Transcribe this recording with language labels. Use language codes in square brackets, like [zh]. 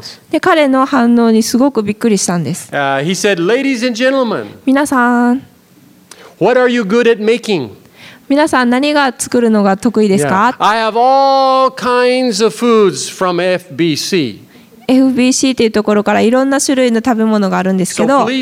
[ja] で、彼の反応にすごくびっくりしたんです。 [en] He said, Ladies and gentlemen, [ja] 皆さん、 [en] What are you good at making? [ja] 皆さん何が作るのが得意ですか? [en] I have all kinds of foods from FBC. [ja] FBC というところからいろんな種類の食べ物があるんですけど、